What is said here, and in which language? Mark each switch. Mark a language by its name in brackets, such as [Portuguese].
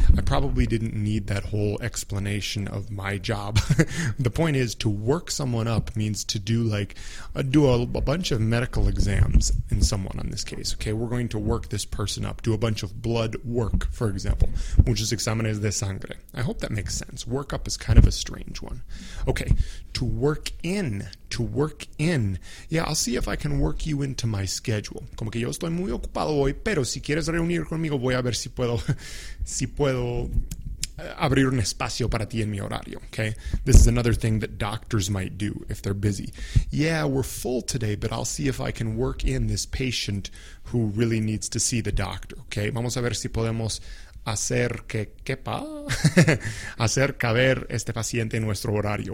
[English] I probably didn't need that whole explanation of my job. The point is to work someone up means to do like a bunch of medical exams in someone in this case. Okay, we're going to work this person up. Do a bunch of blood work, for example. [Spanish] Muchos exámenes de sangre. [English] I hope that makes sense. Workup is kind of a strange one. Okay, to work in. To work in. Yeah, I'll see if I can work you into my schedule. [Spanish] Como que yo estoy muy ocupado hoy, pero si quieres reunir conmigo, voy a ver si puedo abrir un espacio para ti en mi horario. [English] Okay, this is another thing that doctors might do if they're busy. Yeah, we're full today, but I'll see if I can work in this patient who really needs to see the doctor. Okay, [Spanish] vamos a ver si podemos hacer que quepa, hacer caber este paciente en nuestro horario.